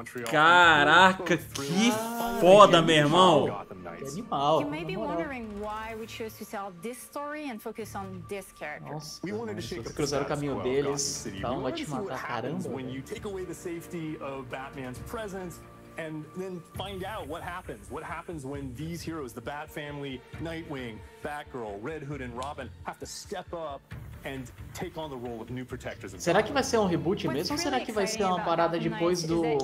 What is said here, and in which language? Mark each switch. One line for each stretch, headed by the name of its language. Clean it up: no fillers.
Portuguese: Caraca, que foda, meu irmão! Que animal! Você pode estar perguntando por que escolhemos contar essa história e focar nesse personagem. Nossa, vocês cruzaram o caminho deles, então vai te matar, caramba! Quando você tira a segurança do
English: Batman's
Portuguese: presença,
English: and then find out what happens. What happens when these heroes, the Bat Family, Nightwing, Batgirl, Red Hood, and Robin, have to step up and take on the role of new protectors of Gotham.
Portuguese: Será que vai ser um reboot mesmo? Ou será que vai ser uma parada depois do...